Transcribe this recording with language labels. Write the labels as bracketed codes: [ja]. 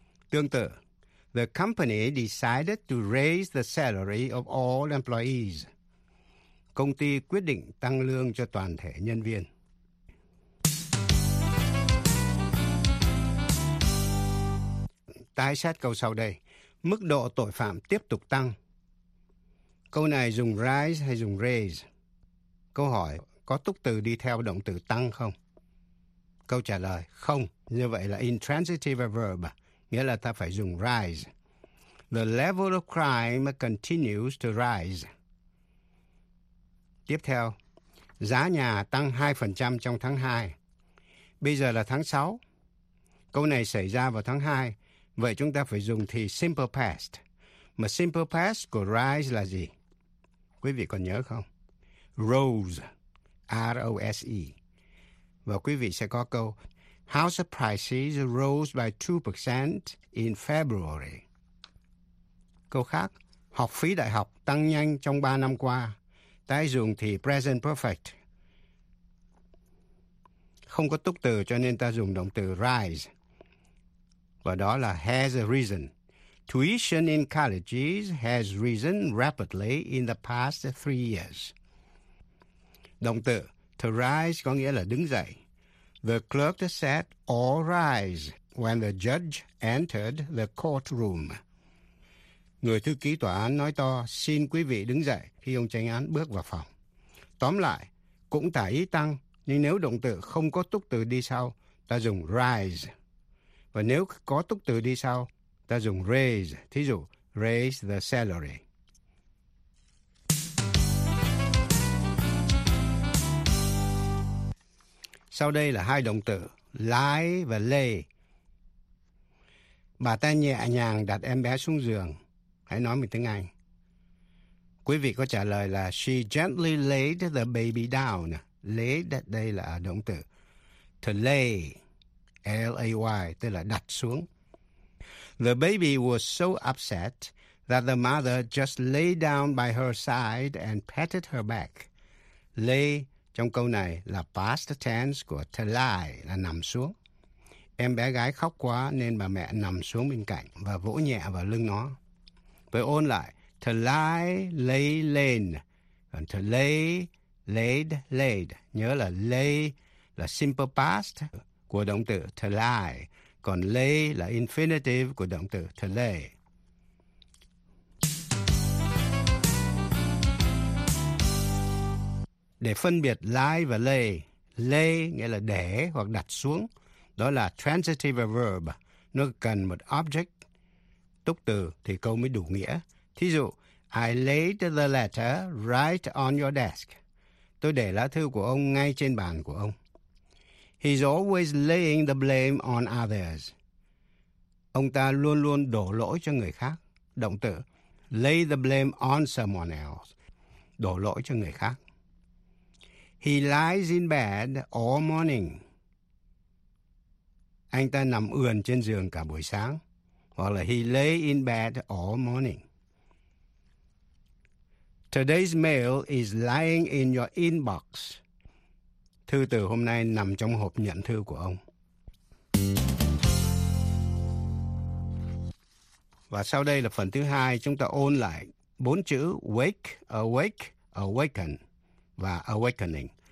[en] Tương tự, the company decided to raise the salary of all employees. [vi] Công ty quyết định tăng lương cho toàn thể nhân viên. Tái xét câu sau đây. Mức độ tội phạm tiếp tục tăng. Câu này dùng rise hay dùng raise? Câu hỏi, có tục từ đi theo động từ tăng không? Câu trả lời, không. Như vậy là intransitive verb, nghĩa là ta phải dùng rise. [en] The level of crime continues to rise. [vi] Tiếp theo, giá nhà tăng 2% trong tháng 2. Bây giờ là tháng 6. Câu này xảy ra vào tháng 2. Vậy chúng ta phải dùng thì simple past. Mà simple past của rise là gì? quý vị còn nhớ không? Rose, R-O-S-E. [en] Và quý vị sẽ có câu, House prices rose by 2% in February. [vi] Câu khác, học phí đại học tăng nhanh trong 3 năm qua. Tái dùng thì present perfect. Không có túc từ cho nên ta dùng động từ rise. Và đó là has risen. [en] Tuition in colleges has risen rapidly in the past 3 years. [vi] Động từ to rise có nghĩa là đứng dậy. [en] The clerk said all rise when the judge entered the courtroom. [vi] Người thư ký tòa án nói to, xin quý vị đứng dậy khi ông chánh án bước vào phòng. Tóm lại, cũng tả ý tăng, nhưng nếu động từ không có túc từ đi sau, ta dùng rise. Và nếu có túc từ đi sau, ta dùng raise, thí dụ raise the salary. Sau đây là hai động từ lie và lay. Bà ta nhẹ nhàng đặt em bé xuống giường. Hãy nói mình tiếng Anh. Quý vị có trả lời là she gently laid the baby down. Laid đây là động từ. To lay, L-A-Y, tức là đặt xuống. [en] The baby was so upset that the mother just lay down by her side and patted her back. [vi] Lay trong câu này là past tense của to lie, là nằm xuống. Em bé gái khóc quá nên bà mẹ nằm xuống bên cạnh và vỗ nhẹ vào lưng nó. Với ôn lại, to lie, lay, lain. Còn to lay, laid, laid. Nhớ là lay là simple past của động từ to lie. Còn lay là infinitive của động từ to lay. Để phân biệt lie và lay, lay nghĩa là để hoặc đặt xuống. Đó là transitive verb. Nó cần một object. Túc từ thì câu mới đủ nghĩa. Thí dụ, I laid the letter right on your desk. Tôi để lá thư của ông ngay trên bàn của ông. [en] He's always laying the blame on others. [vi] Ông ta luôn luôn đổ lỗi cho người khác. Động từ lay the blame on someone else. Đổ lỗi cho người khác. [en] He lies in bed all morning. [vi] Anh ta nằm ườn trên giường cả buổi sáng. [en] Hoặc là he lay in bed all morning. Today's mail is lying in your inbox. [vi] Thư từ hôm nay nằm trong hộp nhận thư của ông. Và sau đây là phần thứ hai, chúng ta ôn lại 4 chữ wake, awake, awaken và awakening.